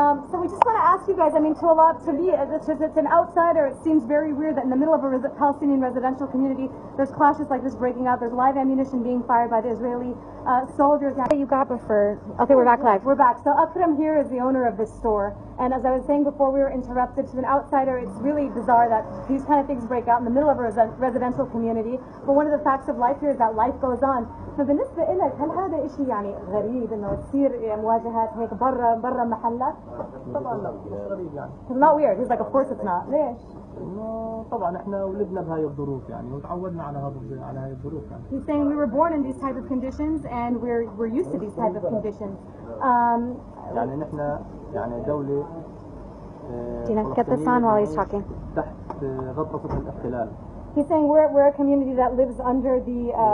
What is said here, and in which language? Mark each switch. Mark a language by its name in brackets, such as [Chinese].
[English] So we just want to ask you guys, I mean, it's an outsider, it seems very weird that in the middle of a Palestinian residential community, there's clashes like this breaking out, there's live ammunition being fired by the Israeli soldiers. Okay, we're back live. We're back. So Akram here is the owner of this store. And as I was saying before, we were interrupted. To an outsider, it's really bizarre that these kind of things break out in the middle of a residential community. But one of the facts of life here is that life goes on. [Arabic] So بالنسبة إلك هل هذا إشي يعني غريب إنه تصير مواجهات هيك برا محله؟ طبعا [English] لا. It's not weird. He's like, of course it's not. [Arabic] ليش؟ طبعا إحنا ولدنا بهاي الظروف يعني وتعودنا على هاي الظروف يعني. [English] He's saying we were born in these type of conditions and we're used to these type of conditions. [Arabic] يعني نحنا يعني دولة. [English] Tina, get this on while he's talking. [Arabic] تحت غطرة الاحتلال. [English] He's saying we're a community that lives under the.